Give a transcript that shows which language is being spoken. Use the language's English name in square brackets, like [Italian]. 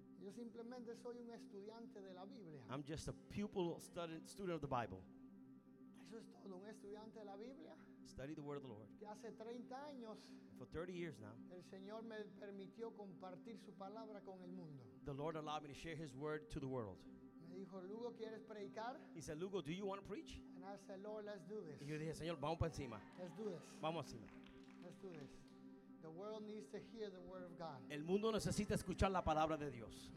[Spanish] Yo simplemente soy un estudiante de la Biblia. [English] I'm just a pupil, student of the Bible. [Spanish] Eso es todo, un estudiante de la Biblia. [English] Study the word of the Lord. [Spanish] Que hace 30 años, [English] for 30 years now, [Spanish] el Señor me permitió compartir su palabra con el mundo. [English] The Lord allowed me to share his word to the world. [Spanish] Me dijo, Lugo, ¿quieres predicar? [English] He said, Lugo, do you want to preach? And I said, Lord, let's do this. [Spanish] Y yo dije, Señor, vamos para encima. [English] Let's do this. [Spanish] Vamos encima. [English] Let's do this. The world needs to hear the word of God. [Spanish] El mundo necesita escuchar la palabra de Dios.